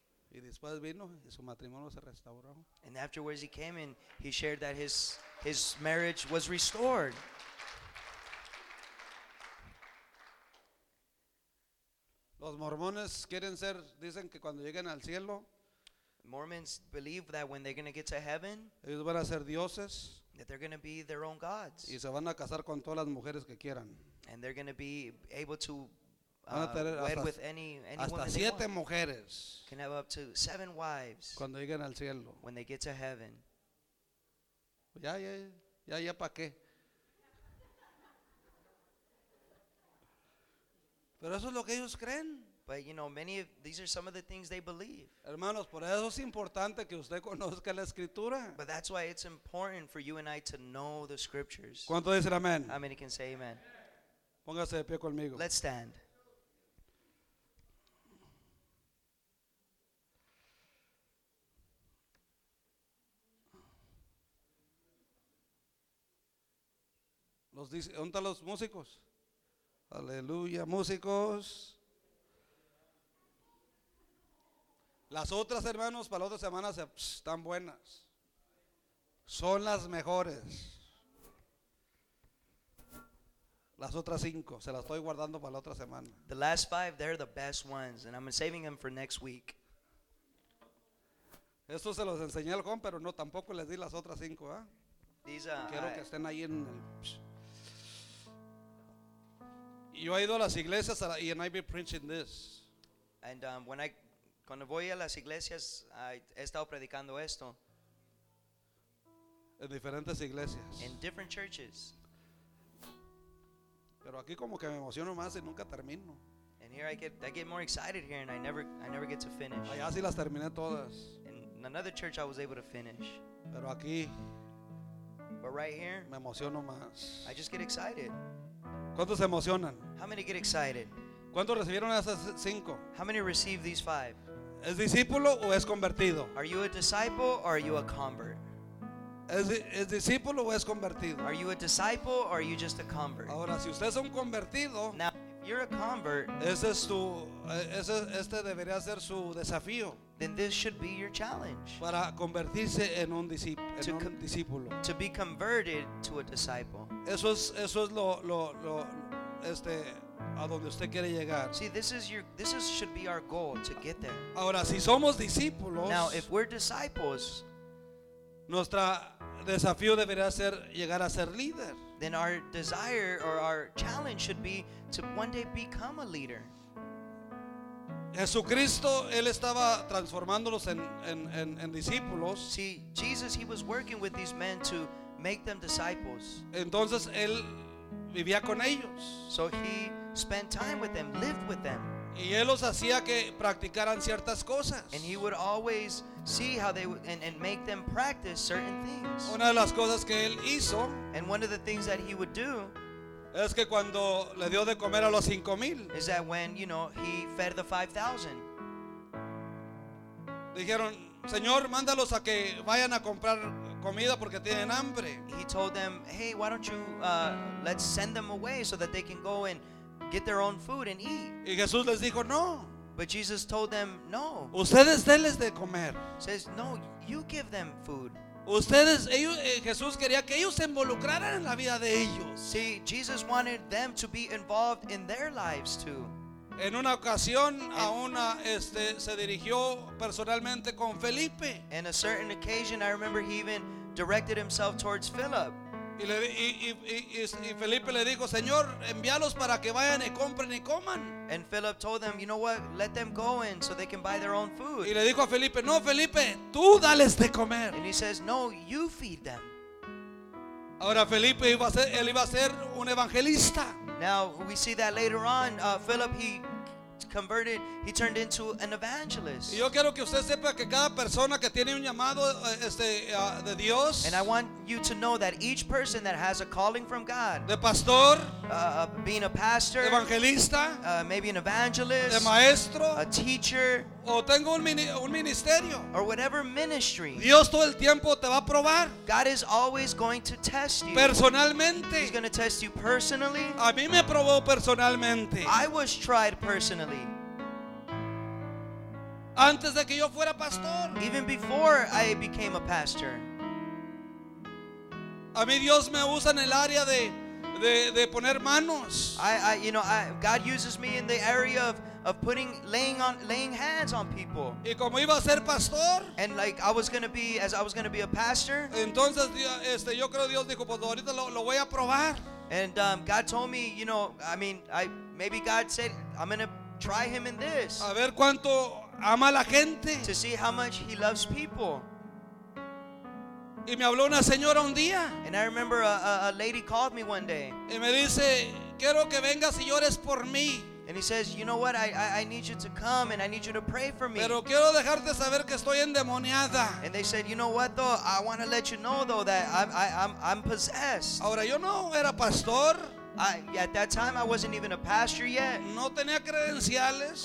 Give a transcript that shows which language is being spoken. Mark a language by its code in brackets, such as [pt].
[es] Y después vino y su matrimonio se restauró. [en] And afterwards he came and he shared that his marriage was restored. [es] Los mormones quieren ser, dicen que cuando lleguen al cielo, [en] Mormons believe that when they're going to get to heaven, [es] ellos van a ser dioses, [en] that they're going to be their own gods. [es] Y se van a casar con todas las mujeres que quieran. [en] And they're going to be able to wed with any [es] hasta [en] woman [es] siete [en] they want. [es] Mujeres. [en] Can have up to seven wives [es] cuando lleguen al cielo. [en] When they get to heaven. [es] Ya, ya, ya, ya, ¿pa' qué? Pero eso es lo que ellos creen. [en] But you know, many of these are some of the things they believe. [es] Hermanos, por eso es importante que usted conozca la escritura. [en] But that's why it's important for you and I to know the scriptures. [es] ¿Cuánto dicen amén? [en] How many can say amen? [es] Póngase de pie conmigo. [en] Let's stand. [es] Los dice, ¿dónde están los músicos? Aleluya, músicos. Las otras, hermanos, para la otra semana están buenas. Son las mejores. Las otras cinco, se las estoy guardando para la otra semana. [en] The last five, they're the best ones, and I'm saving them for next week. [es] Esto se los enseñé al Juan, pero no, tampoco les di las otras cinco, ¿eh? Quiero que estén ahí en el... Yo he ido a las iglesias y [en] I've been preaching this. And when I... [es] Cuando voy a las iglesias, he estado predicando esto. En diferentes iglesias. [en] In different churches. [es] Pero aquí como que me emociono más y nunca termino. [en] And here I get more excited here and I never get to finish. [es] Allá sí las terminé todas. [en] In another church I was able to finish. [es] Pero aquí. [en] But right here. [es] Me emociono más. [en] I just get excited. [es] ¿Cuántos se emocionan? [en] How many get excited? [es] ¿Cuántos recibieron esas cinco? [en] How many receive these five? [es] ¿Es discípulo o es convertido? [en] Are you a disciple or are you a convert? [es] ¿Es discípulo o es convertido? [en] Are you a disciple or are you just a convert? [es] Ahora, si usted es un convertido, [en] now, if you're a convert, [es] este debería ser su desafío. [en] Then this should be your challenge. [es] Para convertirse en un discípulo. [en] To be converted to a disciple. [es] Eso es a donde usted quiere llegar. [en] See, this should be our goal to get there. [es] Ahora, si somos discípulos, [en] now if we're disciples, [es] nuestro desafío debería ser llegar a ser líder. [en] Then our desire or our challenge should be to one day become a leader. [es] Jesucristo, él estaba transformándolos en discípulos. [en] See, Jesus, he was working with these men to make them disciples. [es] Entonces él vivía con ellos. [en] So he spent time with them, lived with them. [es] Y él los hacía que practicaran ciertas cosas. [en] And he would always see how they would, and make them practice certain things. [es] Una de las cosas que él hizo, [en] and one of the things that he would do, [es] es que cuando le dio de comer a los 5,000, [en] is that when, you know, he fed the 5,000. [es] Dijeron, Señor, mándalos a que vayan a comprar comida porque tienen hambre. [en] He told them, hey, why don't you let's send them away so that they can go and get their own food and eat. [es] Y Jesús les dijo, no. [en] But Jesus told them, no. [es] Ustedes denles de comer. [en] Says, no, you give them food. [es] Ustedes, ellos, Jesús quería que ellos se involucraran en la vida de ellos. [en] See, Jesus wanted them to be involved in their lives too. [es] En una ocasión a una se dirigió personalmente con Felipe. [en] In a certain occasion, I remember he even directed himself towards Philip. [es] Y Felipe le dijo, Señor, envíalos para que vayan y compren y coman. [en] And Philip told them, you know what, let them go in so they can buy their own food. [es] Y le dijo a Felipe, no, Felipe, tú dales de comer. [en] And he says, no, you feed them. [es] Ahora Felipe iba a ser un evangelista. [en] Now we see that later on, Philip, he turned into an evangelist. [es] Yo quiero que usted sepa que cada persona que tiene un llamado de Dios, [en] and I want you to know that each person that has a calling from God, [es] de pastor, [en] being a pastor, [es] evangelista, [en] maybe an evangelist, [es] de maestro, [en] a teacher, [es] o tengo un ministerio, [en] or whatever ministry, [es] Dios todo el tiempo te va a probar. [en] God is always going to test you [es] personalmente. [en] He's going to test you personally. [es] A mí me probó personalmente. [en] I was tried personally. [es] Antes de que yo fuera pastor, [en] even before I became a pastor, [es] a mí Dios me usa en el área de poner manos. [en] I God uses me in the area of putting laying hands on people. [es] Y como iba a ser pastor, [en] and like I was gonna be as I was gonna be a pastor. [es] Entonces yo creo Dios dijo, pues ahorita lo voy a probar. [en] And God told me, you know, I mean, I maybe God said I'm gonna try him in this. [es] A ver cuánto ama la gente. [en] To see how much he loves people. [es] Y me habló una señora un día. [en] And I remember a lady called me one day. [es] Y me dice, quiero que vengas y ores por mí. [en] And he says, you know what, I need you to come and I need you to pray for me. [es] Pero quiero dejarte saber que estoy endemoniada. [en] And they said, you know what though, I want to let you know though that I'm possessed. [es] Ahora yo no era pastor. [en] At that time, I wasn't even a pastor yet. [es] No tenía credenciales.